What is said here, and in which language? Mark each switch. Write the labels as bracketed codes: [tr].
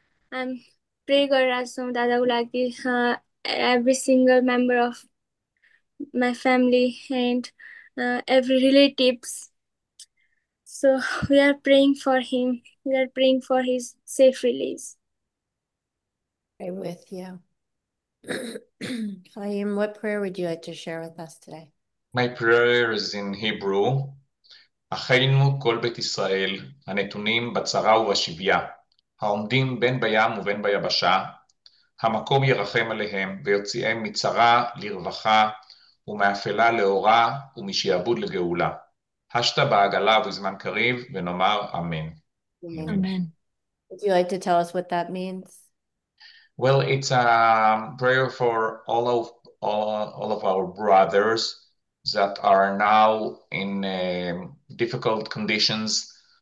[ne] हाम प्रे गरिरहेको छौँ दादाको लागि [en] Every single member of my family and every relatives so we are praying for him we are praying for his safe release I'm with you. Chaim, what prayer would you like to share with us today? My prayer is in Hebrew. [he] אחינו כל בית ישראל, הנתונים בצרה ובשביה, העומדים בין בים ובין ביבשה, המקום ירחם עליהם ויוציאם מצרה לרווחה ומאפלה לאורה ומשעבוד לגאולה. השתא בעגלה ובזמן קריב ונאמר אמן. [en] Amen. Would you like to tell us what that means? Well, it's a prayer for all of our brothers that are now in difficult conditions.